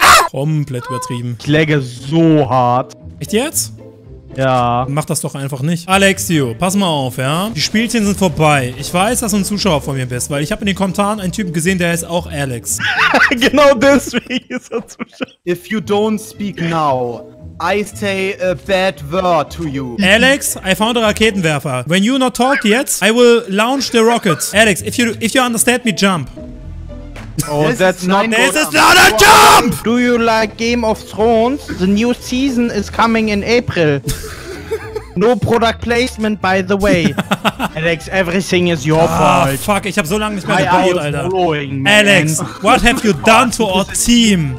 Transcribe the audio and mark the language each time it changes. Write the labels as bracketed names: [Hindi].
[German] Komplett übertrieben. Ich läge so hart. Echt jetzt? Ja. Mach das doch einfach nicht. Alexio, pass mal auf, ja? Die Spielchen sind vorbei. Ich weiß, dass du ein Zuschauer von mir bist, weil ich habe in den Kommentaren einen Typen gesehen, der ist auch Alex. Genau deswegen ist er Zuschauer. [English] If you don't speak now, I say a bad word to you. Alex, I found a Raketenwerfer. When you not talk yet, I will launch the rocket. Alex, if you understand me, jump. Oh, that's not good. This is not a jump! Do you like Game of Thrones? The new season is coming in April. No product placement, by the way. Alex, everything is your fault. [German] Ah, fuck, ich hab so lange nicht mehr gebaut, Alter. [English] Alex, what have you done to our team?